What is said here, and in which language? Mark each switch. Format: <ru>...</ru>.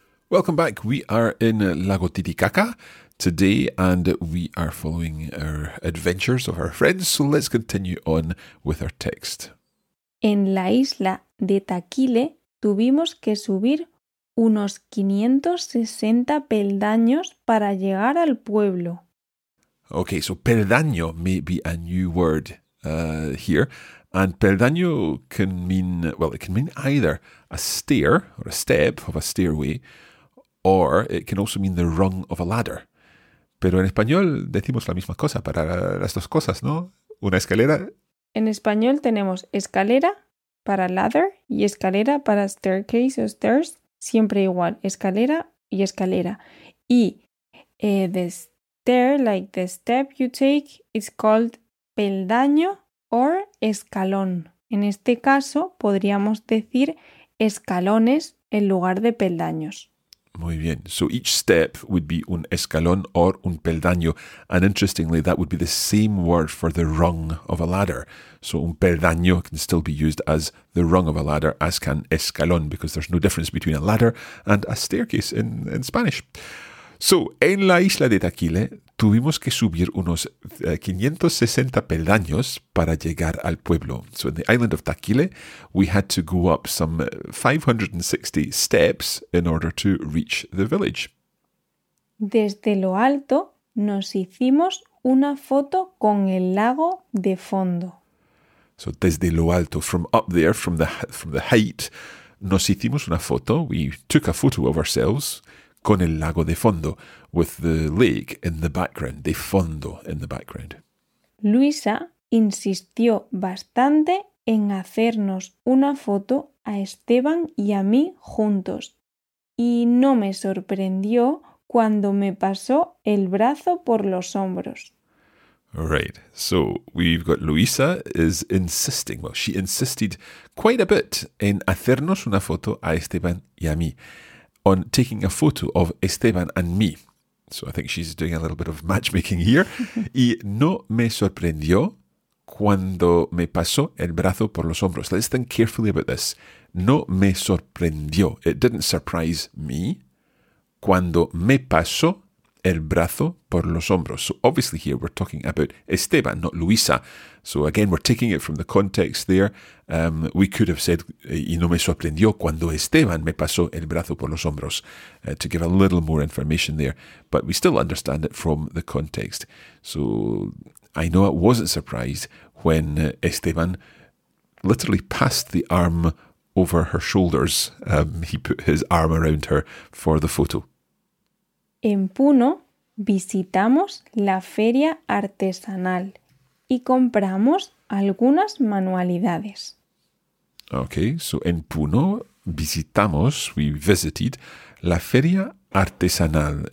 <en>Welcome back. We are in Lago Titicaca today, and we are following our adventures of our friends. So let's continue on with our text.</en> <es>En la isla de Taquile tuvimos que subir unos 560 peldaños para llegar al pueblo.</es> <en>Okay, so peldaño may be a new word here. And peldaño can mean, well, it can mean either a stair or a step of a stairway, or it can also mean the rung of a ladder.</en> <es>Pero en español decimos la misma cosa para las dos cosas, ¿no? Una escalera. En español tenemos escalera para ladder y escalera para staircase o stairs. Siempre igual, escalera y escalera. Y</es> <en>the stair, like the step you take, is called peldaño or escalón.</en> <es>En este caso, podríamos decir escalones en lugar de peldaños. Muy bien.</es> <en>So each step would be un escalón or un peldaño. And interestingly, that would be the same word for the rung of a ladder. So un peldaño can still be used as the rung of a ladder, as can escalón, because there's no difference between a ladder and a staircase in Spanish.</en> <es>So, en la isla de Taquile, tuvimos que subir unos 560 peldaños para llegar al pueblo.</es> <en>So, in the island of Taquile, we had to go up some 560 steps in order to reach the village.</en> <es>Desde lo alto, nos hicimos una foto con el lago de fondo. So, desde lo alto,</es> <en>from up there, from the height,</en> <es>nos hicimos una foto.</es> <en>We took a photo of ourselves.</en> <es>Con el lago de fondo,</es> <en>with the lake in the background,</en> <es>de fondo</es> <en>in the background.</en> <es>Luisa insistió bastante en hacernos una foto a Esteban y a mí juntos. Y no me sorprendió cuando me pasó el brazo por los hombros.</es> <en>Right, so we've got Luisa is insisting, well, she insisted quite a bit</en> <es>en hacernos una foto a Esteban y a mí.</es> <en>On taking a photo of Esteban and me. So I think she's doing a little bit of matchmaking here.</en> <es>Y no me sorprendió cuando me pasó el brazo por los hombros.</es> <en>Let's think carefully about this.</en> <es>No me sorprendió.</es> <en>It didn't surprise me</en> <es>cuando me pasó el brazo por los hombros.</es> <en>So obviously here we're talking about Esteban, not Luisa. So again, we're taking it from the context there. We could have said,</en> <es>y no me sorprendió cuando Esteban me pasó el brazo por los hombros,</es> <en>to give a little more information there. But we still understand it from the context. So I know I wasn't surprised when Esteban literally passed the arm over her shoulders. He put his arm around her for the photo.</en> <es>En Puno visitamos la feria artesanal y compramos algunas manualidades. Okay, so en Puno visitamos,</es> <en>we visited,</en> <es>la feria artesanal.</es>